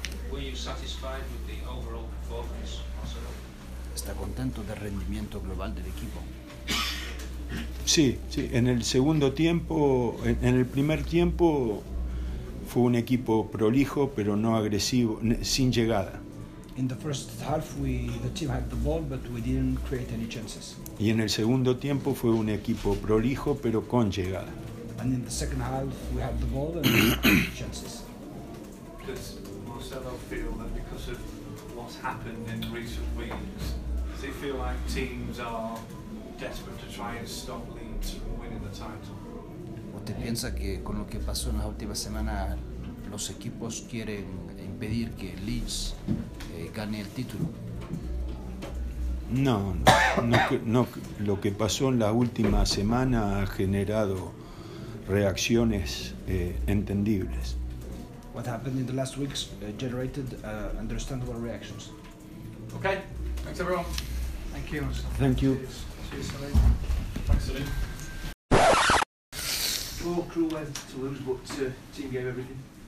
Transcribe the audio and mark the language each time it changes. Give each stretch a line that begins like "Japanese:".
English: Were you satisfied with the overall performance?
Spanish: ¿Está contento del rendimiento global del equipo? Sí, en el segundo tiempo, en el primer tiempo fue un equipo prolijo, pero no agresivo, sin llegada.
English: In the first half the team had the ball but we didn't create any chances.
Spanish: Y en el segundo tiempo fue un equipo prolijo pero con llegada.
English: And in the second half we had the ball and we didn't create any chances. Does Marcelo feel that because of what's happened in recent weeks, does he feel like teams are desperate to try and stop Leeds from winning the title?
Spanish: ¿Usted piensa que con lo que pasó en las últimas semanas los equipos quieren impedir que Leeds gane el título? No, lo que pasó en la última semana ha generado reacciones entendibles.
English: What happened in the last weeks generated understandable reactions. Okay, thanks everyone. Thank you. Thank you. Cheers. Cheers, Salim. Thanks, Salim. Poor crew went to lose, but team gave everything.